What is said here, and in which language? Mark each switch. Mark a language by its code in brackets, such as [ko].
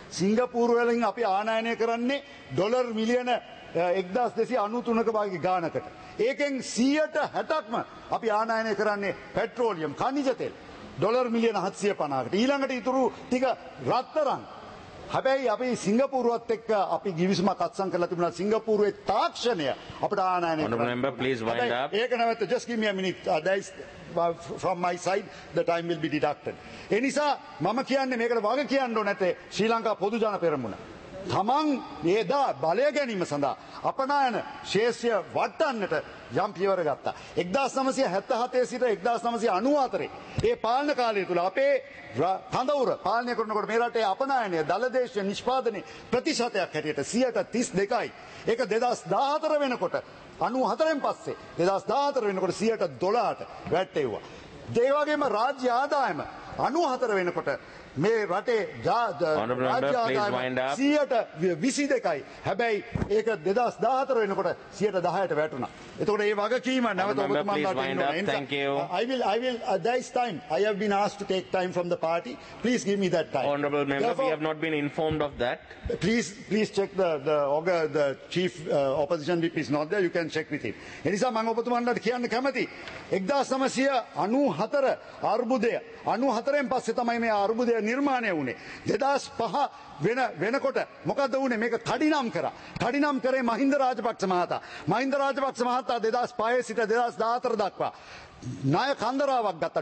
[si] සිංගප්පූරුව වලින් අපි ආනයනය කරන්නේ ඩොලර් මිලියන 1293ක භාගයේ ගානකට. ඒකෙන් 60%ක්ම අපි ආනයනය කරන්නේ පෙට්‍රෝලියම් ඛනිජ තෙල් ඩොලර් මිලියන 750කට. ඊළඟට ඉතුරු ටික රත්තරන්. හැබැයි අපි සිංගප්පූරුවත් එක්ක අපි ගිවිසුමක් අත්සන් කරලා තිබුණා. සිංගප්පූරුවේ තාක්ෂණය අපිට ආනයනය කරනවා. ඒක නැවත [en] just give me a minute guys from my side the time will be deducted. [si] ඒ නිසා මම කියන්නේ මේකට වග කියන්න ඕනේ නැතේ ශ්‍රී ලංකා පොදු ජන පෙරමුණ. තමන් මේදා බලය ගැනීම සඳහා අපනායන ශේෂය වටන්නට යම් පියවර ගත්තා. 1977 සිට 1994 ඒ පාලන කාලය තුළ අපේ කඳවුර පාලනය කරනකොට මේ රටේ අපනායනය දලදේශීය නිෂ්පාදනයේ ප්‍රතිශතයක් හැටියට 32%යි. ඒක 2014 වෙනකොට 94න් පස්සේ 2014 වෙනකොට 112%ට වැටෙව්වා. ඒ වගේම රාජ්‍ය ආදායම 94 වෙනකොට මේ රටේ රාජ්‍ය ආදායම 122%යි. හැබැයි ඒක 2014 වෙනකොට 10%ට වැටුණා. එතකොට මේ වගකීම නැවත ඔබතුමාට දෙන්න. [en] I will this time I have been asked to take time from the party. Please give me that time. Honorable member, we have not been informed of that. Please check the chief opposition whip is not there. You can check with him. [si] එනිසා මම ඔබතුමාට කියන්න කැමති 1994 අර්බුදය 94න් පස්සේ තමයි මේ අර්බුදය නිර්මාණය වුණේ. 2005 වෙනකොට මොකද වුණේ? මේක කඩිනම් කරා. කඩිනම් කරේ මහින්ද රාජපක්ෂ මහතා. මහින්ද රාජපක්ෂ මහතා 2005 සිට 2014 දක්වා ණය කන්දරාවක් ගත්තා.